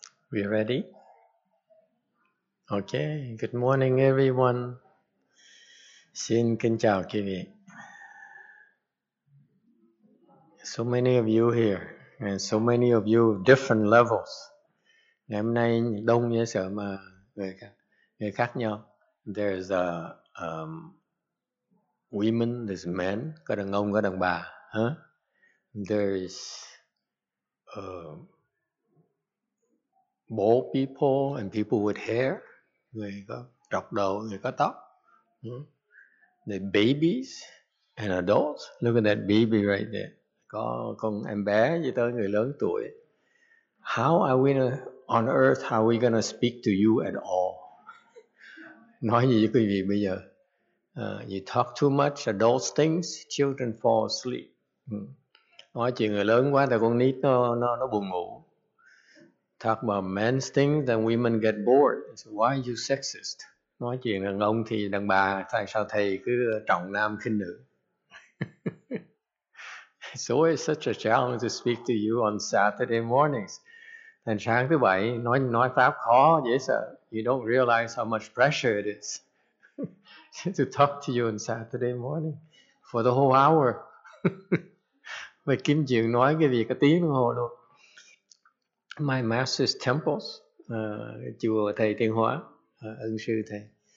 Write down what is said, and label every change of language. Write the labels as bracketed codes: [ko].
[en] We ready? Okay, good morning everyone. [vi] Xin kính chào quý vị. [en] So many of you here, and so many of you different levels. [vi] Ngày hôm nay đông như sợ mà người khác nhau. [en] There's a women, there's men, [vi] có đàn ông, có đàn bà. Huh? [en] There's bald people and people with hair, [vi] người có trọc đầu, người có tóc. [en] The babies and adults, look at that baby right there. [vi] Con em bé gì tới người lớn tuổi. [en] How are we on earth, how are we going to speak to you at all? [vi] Nói gì với quý vị bây giờ? [en] You talk too much, adults things, children fall asleep. [vi] Nói chuyện người lớn quá, tại con nít nó buồn ngủ. [en] Talk about men's things, then women get bored. So why are you sexist? [vi] Nói chuyện đàn ông thì đàn bà, tại sao thầy cứ trọng nam khinh nữ? [en] It's always such a challenge to speak to you on Saturday mornings. [vi] Thành sáng thứ bảy, nói pháp khó, dễ sợ. [en] You don't realize how much pressure it is to talk to you on Saturday morning for the whole hour. [vi] Mà kiếm chuyện nói cái gì cái tiếng đồng hồ luôn. [en] My master's temples, [vi] chùa thầy Thiên Hóa, ân sư thầy.